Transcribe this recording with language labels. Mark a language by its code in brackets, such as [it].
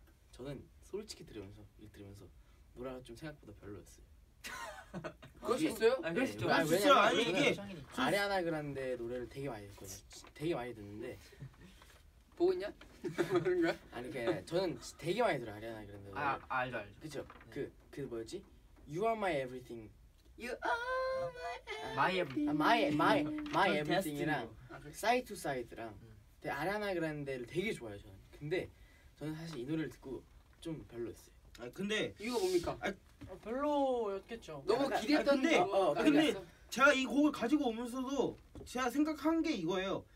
[ko] 저는 솔직히 들으면서 노래가 좀 생각보다 별로였어요. 그럴 수 있어요? 아니, 그럴 수 있죠. 아니, 왜냐면 아니, 이게 아리아나 그란데 노래를 되게 많이 듣거든요. 되게 많이 듣는데 보고 있냐? 아니 그 저는 되게 많이 들어 아리아나 그런데 아 알죠 그쵸 그 네. 뭐였지 [en] You are my everything You are my everything [ko] my everything이랑 Side to Side랑 되게 아리아나 그란데를 되게 좋아해요 저는. 근데 저는 사실 이 노래를 듣고 좀 별로였어요. 아 근데 이거 뭡니까? 별로였겠죠. 너무 기대했던 거. 근데 제가 이 곡을 가지고 오면서도 제가 생각한 게 이거예요.